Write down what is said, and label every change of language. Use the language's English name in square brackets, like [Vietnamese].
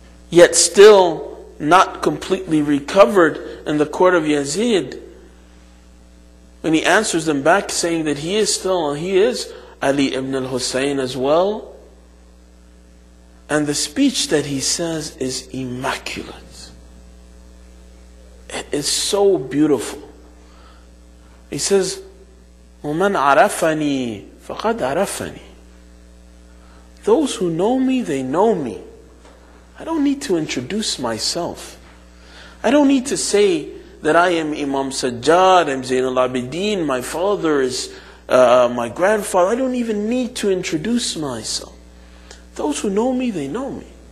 [English] Yet still not completely recovered in the court of Yazid. When he answers them back saying that he is Ali ibn al-Husayn as well. And the speech that he says is immaculate. It's so beautiful. He says, [Arabic] وَمَنْ عَرَفَنِي فَقَدْ عَرَفَنِي. [English] Those who know me, they know me. I don't need to introduce myself. I don't need to say that I am Imam Sajjad, I'm Zain al-Abidin, my father is my grandfather. I don't even need to introduce myself. Those who know me, they know me.